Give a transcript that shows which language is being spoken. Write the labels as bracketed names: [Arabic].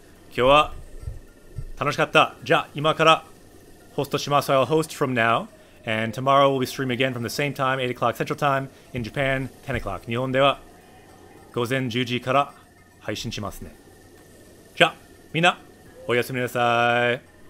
[Japanese] 今日は 楽しかった。じゃあ今からホストします。 [English] I'll host from now, and tomorrow we'll be streaming again from the same time, 8 o'clock Central Time, in Japan, 10 o'clock. [Japanese] 日本では午前10時から配信しますね。じゃあみんなおやすみなさい。